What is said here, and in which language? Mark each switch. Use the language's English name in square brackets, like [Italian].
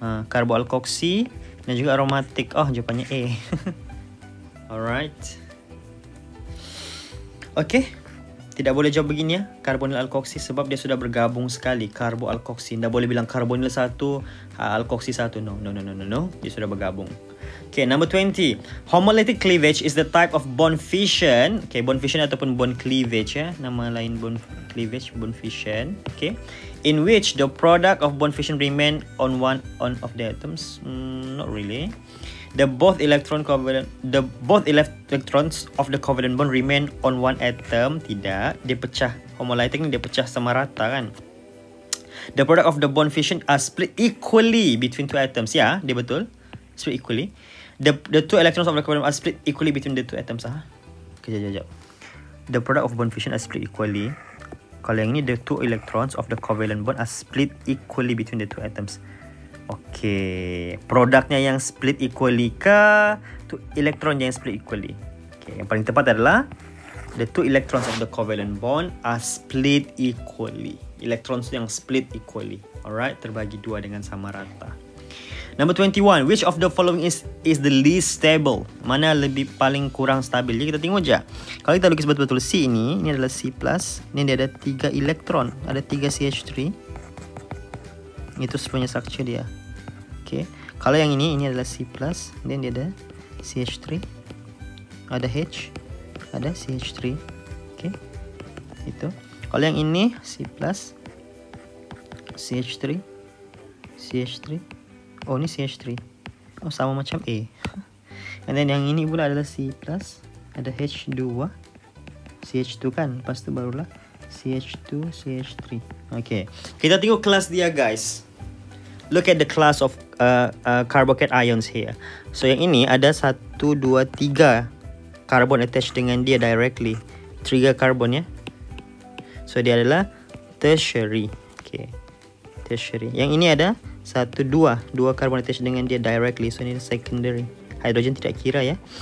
[Malay] Karboalkoksi dan juga aromatik. Oh, jawapannya A. Alright. Okay. Tidak boleh jawab begini ya, karbonil alkoksi, sebab dia sudah bergabung sekali, karbo alkoksi. Tidak boleh bilang karbonil satu, alkoksi satu. [English] No. [Malay] Dia sudah bergabung. [English] Okay, number 20. Homolytic cleavage is the type of bond fission. Okay, bond fission ataupun bond cleavage ya. [Malay] Nama lain [English] bond cleavage, bond fission. Okay. In which the product of bond fission remain on one on of the atoms. Not really. The both electrons of the covalent bond remain on one atom. [Malay] Tidak, dia pecah. Homolytic ni dia pecah sama rata kan. [English] The product of the bond fission are split equally between two atoms. [Malay] Ya, dia betul. [English] Split equally. The two electrons of the covalent bond are split equally between the two atoms. Kejap. The product of bond fission are split equally. [Malay] Kalau yang ini, [English] the two electrons of the covalent bond are split equally between the two atoms. Okay, [Malay] produknya yang [English] split equally ke two electron yang split equally? Okay, [Malay] yang paling tepat adalah [English] the two electrons of the covalent bond are split equally. Electrons yang split equally. [Malay] Alright, terbagi dua dengan sama rata. [English] Number 21, which of the following is the least stable? [Malay] Mana lebih paling kurang stabil? Jadi kita tengok aja. Kalau kita lukis betul-betul C ini, ini adalah C+. Ini dia ada 3 elektron, ada 3 CH3. Itu sebenarnya structure dia. Okay. Kalau yang ini adalah C+, then dia ada CH3. Ada H, ada CH3. Okay. Itu. Kalau yang ini C+, CH3, CH3. Oh, ini CH3. Oh, sama macam A. And then yang ini pula adalah C+, ada H2. CH2 kan, lepas tu barulah CH2, CH3. Okay. Kita tengok kelas dia, guys. [English] Look at the class of carbocation ions here. [Malay] So yang ini ada 1, 2, 3 carbon attached dengan dia directly. Trigger carbon ya. So dia adalah tertiary. Okay. Tertiary. Yang ini ada 1, 2. 2 carbon attached dengan dia directly. So ini secondary. Hydrogen tidak kira ya.